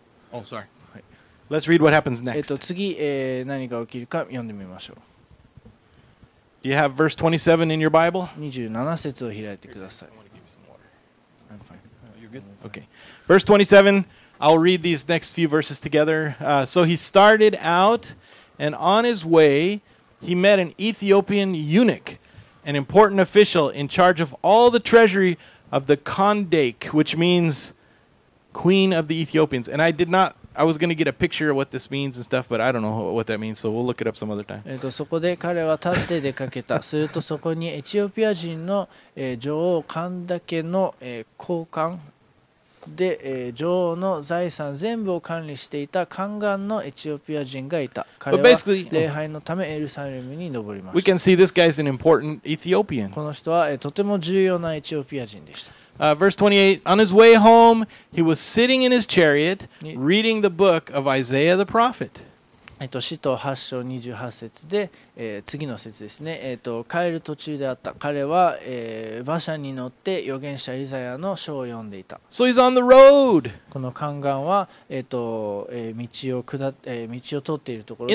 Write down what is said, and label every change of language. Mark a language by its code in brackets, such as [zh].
[en] Oh, sorry. Let's read what happens next. [ja] 次、何が起きるか読んでみましょう。 [en] Do you have verse 27 in your Bible? [ja] 27節を開いてください。 [en] I'm fine. You're good? Okay. Verse 27, I'll read these next few verses together. So he started out, and on his way, he met an Ethiopian eunuch, an important official in charge of all the treasury of the Kandake, which means... Queen of the Ethiopians. And I did not, I was going to get a picture of what this means and stuff, but I don't know what that means, so we'll look it up some other time. [ja] そこで彼は立って出かけた。するとそこにエチオピア人の女王カンダケの高官で女王の財産全部を管理していた宦官のエチオピア人がいた。彼は礼拝のためエルサレムに登りました。 [en] We can see this guy is an important Ethiopian. [ja] この人はとても重要なエチオピア人でした。 [en] Verse 28, on his way home, he was sitting in his chariot, reading the book of Isaiah the prophet. [ja] 使徒8章28節で、次の節ですね。帰る途中であった。彼は、馬車に乗って預言者イザヤの書を読んでいた。 [en] So he's on the road. [ja] この宦官は、道を通っているところで。